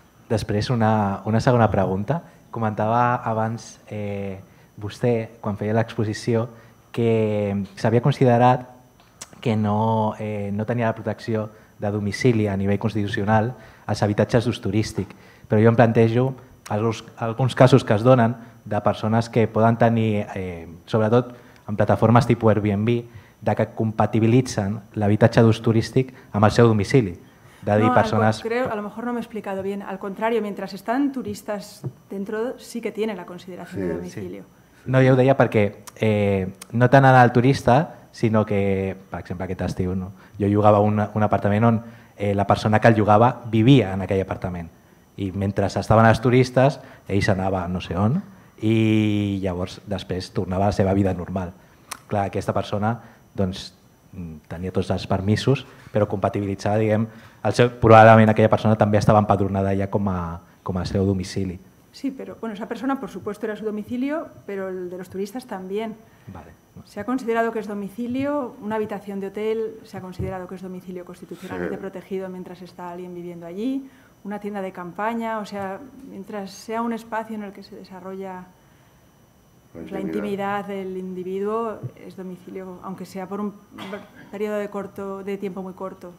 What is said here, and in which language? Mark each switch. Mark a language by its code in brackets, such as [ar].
[ca] Després, una segona pregunta. Comentava abans vostè, quan feia l'exposició, que s'havia considerat que no tenia la protecció de domicili a nivell constitucional als habitatges d'ús turístic. Però jo em plantejo alguns casos que es donen de persones que poden tenir, sobretot en plataformes tipus Airbnb, de que compatibilitzen l'habitatge d'ús turístic amb el seu domicili. De dir no, persones... [es] creo, a lo mejor no me he explicado bien. Al contrario, mientras están turistas dentro, sí que tienen la consideración de domicilio. [ca] Sí. No, jo ho deia perquè no tant anar al turista, sinó que, per exemple, aquest estiu, no? Jo llogava un apartament on la persona que el llogava vivia en aquell apartament. I mentre estaven els turistes, ell s'anava no sé on, i llavors després tornava a la seva vida normal. Clar, aquesta persona doncs, tenia tots els permisos, però compatibilitzava, diguem, probablement aquella persona també estava empadronada ja com a seu domicili. [es] Sí, pero bueno, esa persona, por supuesto, era su domicilio, pero el de los turistas también. Vale. Se ha considerado que es domicilio, una habitación de hotel se ha considerado que es domicilio constitucionalmente protegido mientras está alguien viviendo allí, una tienda de campaña, o sea, mientras sea un espacio en el que se desarrolla la intimidad del individuo, es domicilio, aunque sea por un periodo de tiempo muy corto.